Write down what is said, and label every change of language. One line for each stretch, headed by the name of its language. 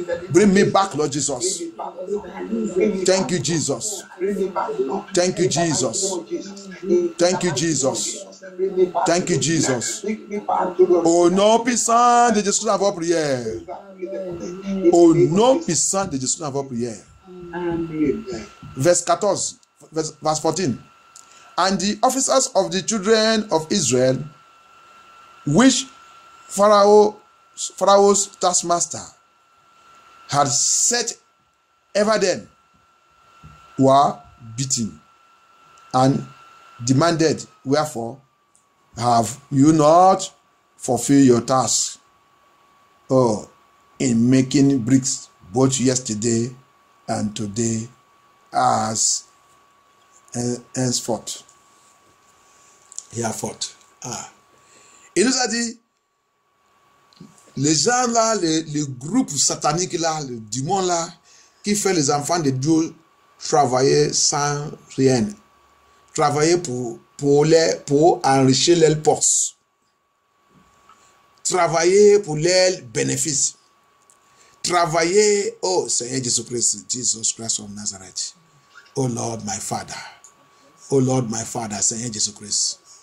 English: Bring me back, Lord Jesus. Thank you, Jesus. Thank you, Jesus. Thank you, Jesus. Thank you, Jesus.
French: Au nom puissant de Jésus, dans vos prières. Au nom puissant de Jésus, dans vos prières.
English: Verse 14. And the officers of the children of Israel, which Pharaoh's taskmaster had set ever then, were beaten and demanded, wherefore have you not fulfilled your task in making bricks both yesterday and today as henceforth? He has fought.
French: Il nous a dit, les gens là, les groupes sataniques là, le démon là, qui fait les enfants de Dieu travailler sans rien, travailler pour enrichir leur poste, travailler pour leur bénéfice, travailler, oh Seigneur
English: Jesus Christ of Nazareth, oh Lord my Father,
French: Seigneur Jesus Christ.